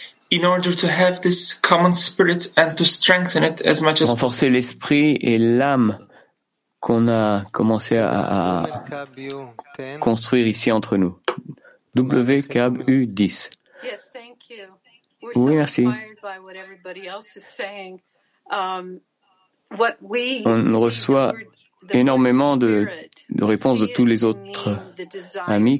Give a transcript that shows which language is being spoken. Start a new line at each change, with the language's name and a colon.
English: In order to have this common spirit and to strengthen it as much as
French: renforcer l'esprit et l'âme qu'on a commencé à construire ici entre nous. WKBU 10.
English: Yes, thank you. We're so inspired by what everybody else is saying.
French: On reçoit énormément de réponses de tous les autres amis.